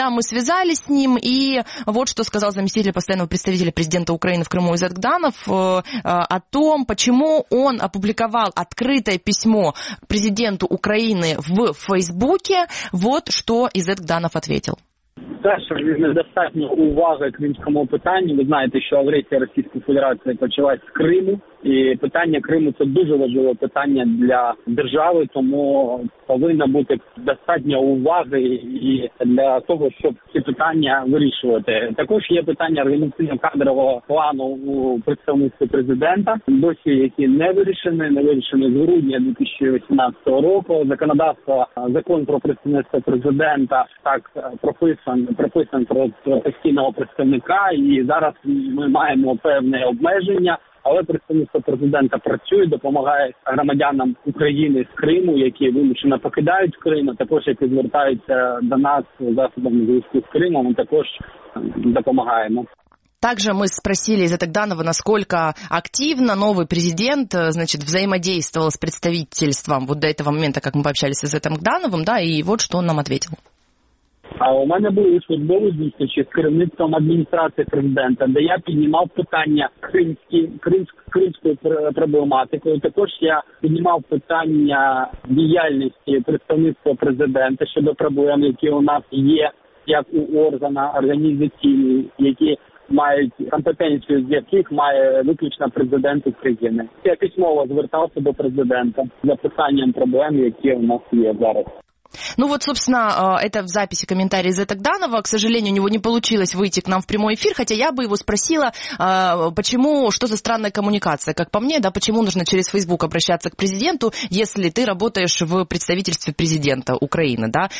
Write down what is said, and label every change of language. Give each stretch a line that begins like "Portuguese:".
Russian: Да, мы связались с ним, и вот что сказал заместитель постоянного представителя президента Украины в Крыму Изет Гданов о том, почему он опубликовал открытое письмо президенту Украины в Фейсбуке. Вот что Изет Гданов ответил.
Ukrainian: Те, що недостатньо уваги кримському питанню, ви знаєте, що агресія Російської Федерації почалась з Криму, і питання Криму – це дуже важливе питання для держави, тому повинна бути достатньо уваги і для того, щоб ці питання вирішувати. Також є питання організаційно-кадрового плану у представництві президента, досі які не вирішені з грудня 2018 року. Законодавство, закон про представництво президента так прописан про постійного представника, і зараз ми маємо певне обмеження, але представництво президента працює, допомагає громадянам України з Криму, які вимушено покидають Крим, а також які звертаються до нас засобами зв'язку з Кримом, ми також допомагаємо.
Russian: Также мы спросили из этого данного, насколько активно новый президент, значит, взаимодействовал с представительством вот до этого момента, как мы пообщались с этим Гдановым, да, и вот что он нам ответил.
Ukrainian: А у мене були службові зустрічі з керівництвом адміністрації президента, де я піднімав питання кримської проблематики. Також я піднімав питання діяльності представництва президента щодо проблем, які у нас є, як у органа організаційні, які мають компетенцію, з яких має виключно президент України. Я письмово звертався до президента за питанням проблем, які у нас є зараз.
Russian: Ну вот, собственно, это в записи комментарий Изета Гданова. К сожалению, у него не получилось выйти к нам в прямой эфир, хотя я бы его спросила, почему, что за странная коммуникация, как по мне, да, почему нужно через Facebook обращаться к президенту, если ты работаешь в представительстве президента Украины, да.